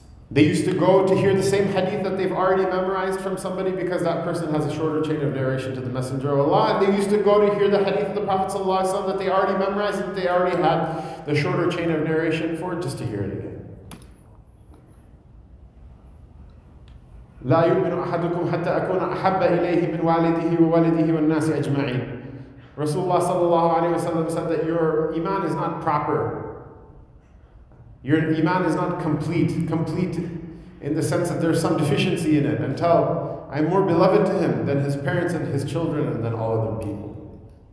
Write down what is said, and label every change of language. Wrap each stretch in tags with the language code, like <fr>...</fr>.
<en>They used to go to hear the same hadith that they've already memorized from somebody because that person has a shorter chain of narration to the Messenger of Allah. And they used to go to hear the hadith of the Prophet ﷺ that they already memorized, that they already had the shorter chain of narration for, just to hear it again.</en> <ar>لا يؤمن أحدكم حتى أكون أحب إليه من والده ووالده والناس أجمعين.</ar> <en>Rasulullah ﷺ said that your iman is not proper. Your iman is not complete in the sense that there's some deficiency in it, until I'm more beloved to him than his parents and his children and then all of them people.</en>